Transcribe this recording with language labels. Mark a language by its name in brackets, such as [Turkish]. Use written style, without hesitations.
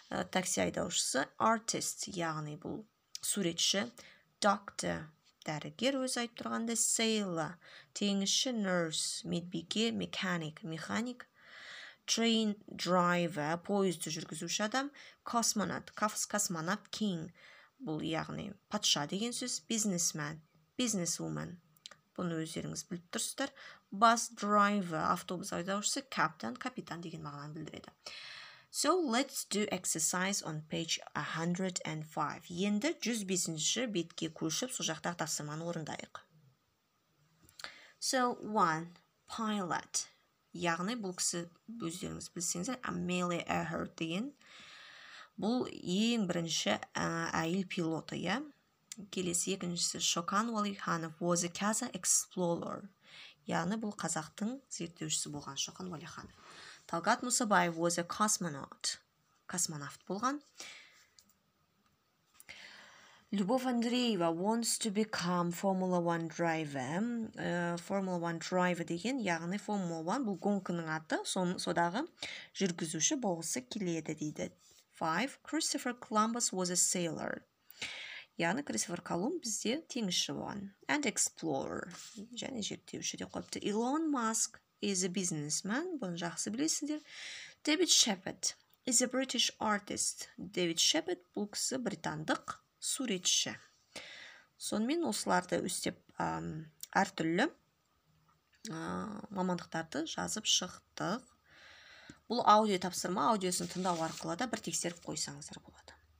[Kazakh] такси айдаушысы, artist, яғни бұл суретші, doctor, дәрігер, өз айтып тұрғанда, sailor, теңізші, nurse, медбике, mechanic, механик, train driver, поезді жүргізуші адам, cosmonaut, cosmonaut king, бұл яғни патша деген сөз, businessman, businesswoman, бұны өздеріңіз біліп тұрсыздар, bus driver, автобус айдаушысы, captain, капитан деген мағынаны білдіреді. [English] So, let's do exercise on page 105. [Kazakh] Енді 105-ші бетке көшіп, сол жақта тапсырманы орындайық. [English] So, one, pilot. [Kazakh] Яғни, бұл кісі, өздеріңіз білсеңіздер, Amelia Earhart деген. Бұл ең бірінші әйел пилоты, я? [English] Келесі екіншісі, Шокан Уәлиханов was a Kazakh explorer. [Kazakh] Яғни, бұл қазақтың зерттеушісі болған Шокан Уәлиханов. [English] Талғат Мұсабаев was a cosmonaut. [Kazakh] Космонавт болған. [English] Любов Андреева wants to become Formula One driver. [Kazakh] Formula One driver деген, яғни Formula One бұл гонканың аты, содағы жүргізуші болғысы келеді дейді. [English] 5. Christopher Columbus was a sailor. [Kazakh] Яғни Кристофер Колумб бізде теңізші болған. [English] And explorer. [Kazakh] Және зерттеуші де қойыпты. [English] Elon Musk is a businessman, [Kazakh] бұны жақсы білесіздер. [English] David Shepard is a British artist. [Kazakh] David Shepard бұл кісі британдық суретші. Сонымен осыларды үстеп әртүрлі мамандықтарды жазып шықтық. Бұл аудио тапсырма, аудиосын тыңдау арқылы да бір тексеріп қойсаңыздар болады.